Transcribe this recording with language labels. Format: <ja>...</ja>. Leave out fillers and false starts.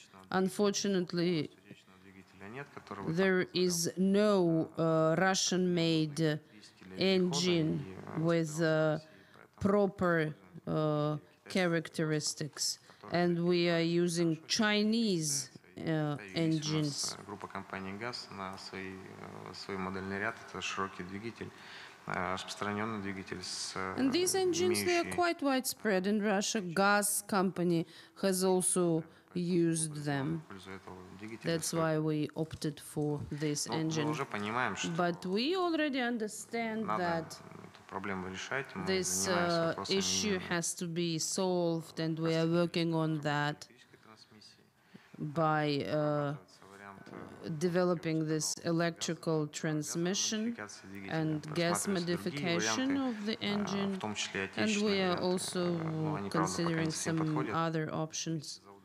<en>Unfortunately, there is no Russian-made engine with proper characteristics, and we are using Chinese engines.</en> <ru>Группа компании ГАЗ на свой модельный ряд это широкий двигатель, распространенный двигатель с.</ru> <en>And these engines, they are quite widespread in Russia. ГАЗ company has also used them. That's why we opted for this engine. But we already understand that this issue has to be solved, and we are working on that by developing this electrical transmission and gas modification of the engine, and we are also considering some other options.</en>